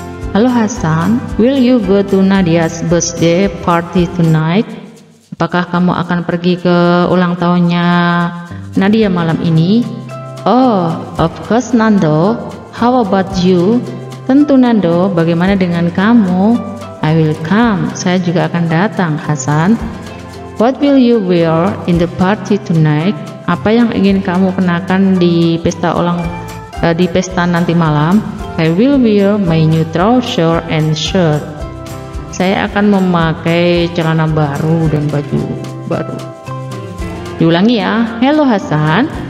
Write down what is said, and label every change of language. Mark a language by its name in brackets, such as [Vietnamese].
[English] Hello, Hasan. Will you go to Nadia's birthday party tonight? [Indonesian] Apakah kamu akan pergi ke ulang tahunnya Nadia malam ini? [English] Oh, of course Nando. How about you? [Indonesian] Tentu Nando, bagaimana dengan kamu? [English] I will come. [Indonesian] Saya juga akan datang, Hasan. [English] What will you wear in the party tonight? [Indonesian] Apa yang ingin kamu kenakan di pesta ulang di pesta nanti malam? [English] I will wear my new trouser and shirt. [Indonesian] Saya akan memakai celana baru dan baju baru. Diulangi ya. [English] Hello Hasan.